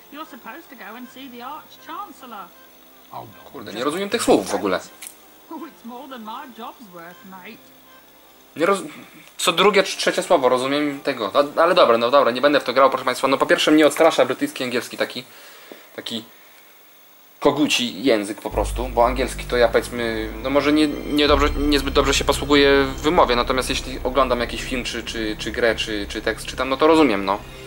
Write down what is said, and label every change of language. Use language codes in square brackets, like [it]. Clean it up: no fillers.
[en] You're supposed to go and see the Arch Chancellor. [pl] Oh, kurde, nie rozumiem tych słów w ogóle. [en] Oh, it's more than my job's worth, mate. [pl] Nie co drugie czy trzecie słowo, rozumiem tego. Ale dobra, no dobra, nie będę w to grał, proszę Państwa. No po pierwsze mnie odstrasza brytyjski angielski, taki koguci język po prostu, bo angielski to ja powiedzmy, no może niezbyt dobrze się posługuję w wymowie, natomiast jeśli oglądam jakiś film czy grę, czy tekst czytam, no to rozumiem, no.